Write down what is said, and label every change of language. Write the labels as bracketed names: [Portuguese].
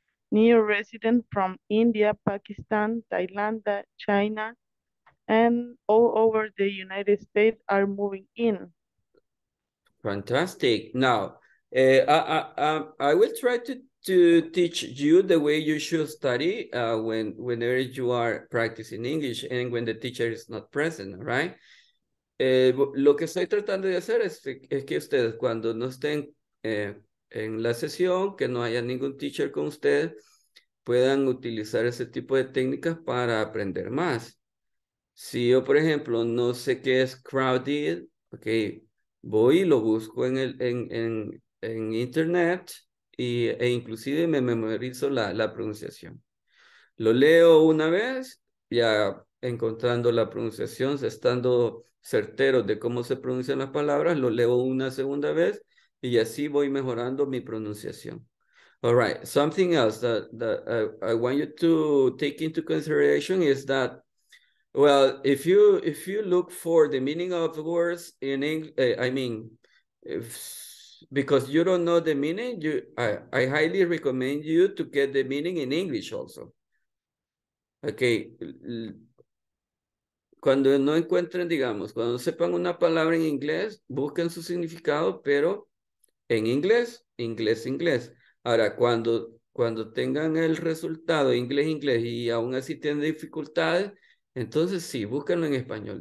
[English] New residents from India, Pakistan, Thailand, China, and all over the United States are moving in. Fantastic. Now, I will try to teach you the way you should study whenever you are practicing English and when the teacher is not present, right? [Spanish] Lo que estoy tratando de hacer es que ustedes cuando no estén en la sesión, que no haya ningún teacher con usted, puedan utilizar ese tipo de técnicas para aprender más. Si yo, por ejemplo, no sé qué es crowded, okay, voy y lo busco en el en internet y, e inclusive me memorizo la, la pronunciación. Lo leo una vez, ya encontrando la pronunciación, estando certero de cómo se pronuncian las palabras, lo leo una segunda vez y así voy mejorando mi pronunciación. [English] All right, something else that, that I want you to take into consideration is that, well, if you look for the meaning of words in English, I mean, if, because you don't know the meaning, you I highly recommend you to get the meaning in English also. [Spanish] Okay, cuando no encuentren, digamos, cuando sepan una palabra en inglés, busquen su significado, pero en inglés, inglés, inglés. Ahora, cuando, cuando tengan el resultado inglés, inglés, y aún así tienen dificultades, entonces sí, búsquenlo en español.